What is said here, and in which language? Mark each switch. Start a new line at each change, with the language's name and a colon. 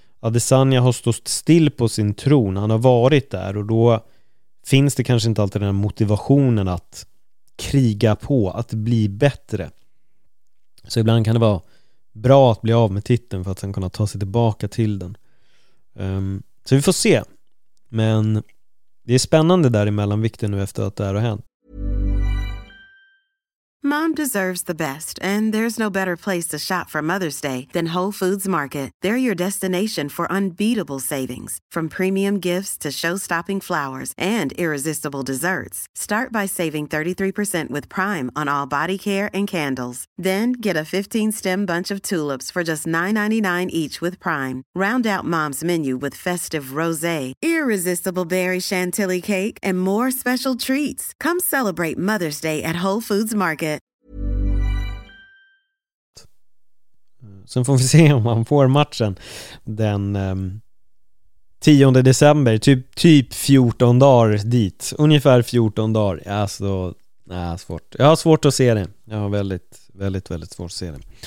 Swedish: Adesanya har stått still på sin tron, han har varit där, och då finns det kanske inte alltid den här motivationen att kriga på, att bli bättre. Så ibland kan det vara bra att bli av med titeln för att sen kunna ta sig tillbaka till den. Så vi får se. Men det är spännande där emellan vikten nu efter att det här har hänt.
English: Mom deserves the best, and there's no better place to shop for Mother's Day than Whole Foods Market. They're your destination for unbeatable savings, from premium gifts to show-stopping flowers and irresistible desserts. Start by saving 33% with Prime on all body care and candles. Then get a 15-stem bunch of tulips for just $9.99 each with Prime. Round out Mom's menu with festive rosé, irresistible berry chantilly cake, and more special treats. Come celebrate Mother's Day at Whole Foods Market.
Swedish: Sen får vi se om han får matchen den 10 december, typ 14 dagar dit, ungefär 14 dagar. Alltså, nej, svårt. Jag har svårt att se det. Jag har väldigt, väldigt, väldigt svårt att se det.